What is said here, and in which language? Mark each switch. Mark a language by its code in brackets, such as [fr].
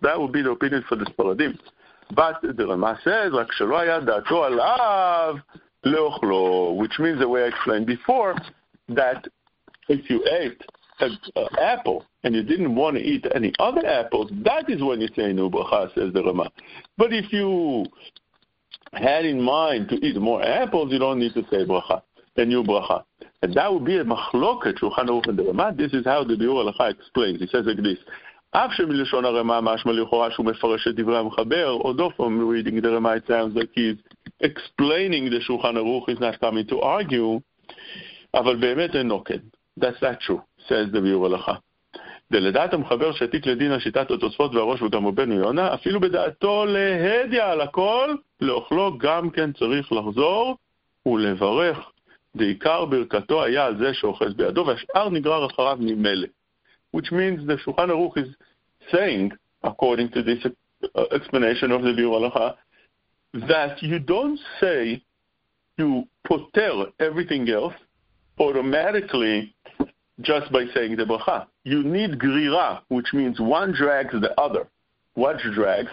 [en] That would be the opinion for the Sparadim. But the Rama says, [he] "Rak shelo haya da'ato alav le'ochlo," [en] which means the way I explained before, that if you ate an apple and you didn't want to eat any other apples, that is when you say nubacha, says the Rama. But if you had in mind to eat more apples, you don't need to say bracha, a new bracha. And that would be a machloket, Shulchan Aruch and the Rama. This is how the Biur Halacha explains. He says like this. [he] אף שמלשון הרמה משמע לכאורה שהוא מפרש את דברי המחבר, [en] although from reading the Rama, it sounds like he's explaining the Shulchan Aruch, he's not coming to argue, [he] אבל באמת אינו כן. [en] That's not true, says the Biur Halacha. [he] דלדעת המחבר שעתיק לדין השיטת התוספות והראש וגם רבנו יונה, אפילו בדעתו להדיה על הכל, לאוכלו גם כן צריך לחזור ולברך. דעיקר ברכתו היה על זה שאוחז בידו, והשאר נגרר אחריו ממלא. [en] Which means the Shulchan Aruch is saying, according to this explanation of the Biur Halacha, that you don't say you poter everything else automatically just by saying the bracha. You need grira, which means one drags the other. What drags?